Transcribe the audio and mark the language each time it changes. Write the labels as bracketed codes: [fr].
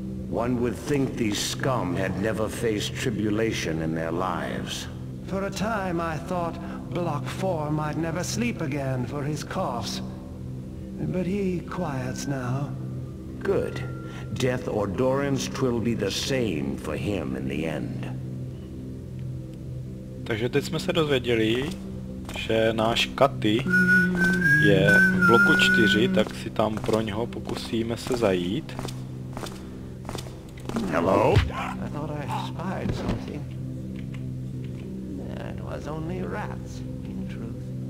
[en] One would think these scum had never faced tribulation in their lives. For a time I thought Block 4 might never sleep again for his coughs. But he quiets now. Good. Death or Dorans, 'twill be the same for him in the end. [cs] Takže teď jsme se dozvěděli, že náš Katy je v bloku 4, tak si tam pro něho pokusíme se zajít. [en] Hello? I thought I spied something. It was only rats, in truth.